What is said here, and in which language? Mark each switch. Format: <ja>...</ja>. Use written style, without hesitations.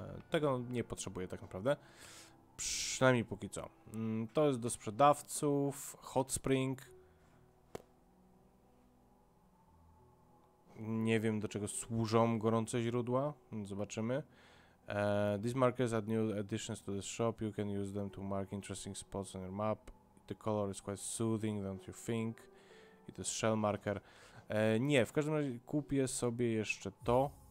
<pl>Tego nie potrzebuję tak naprawdę. Przynajmniej póki co. To jest do sprzedawców. Hot spring. Nie wiem, do czego służą gorące źródła. Zobaczymy.</pl> <en>These markers are new additions to the shop. You can use them to mark interesting spots on your map. The color is quite soothing, don't you think? It is shell marker.</en> <pl>Nie, w każdym razie kupię sobie jeszcze to.</pl>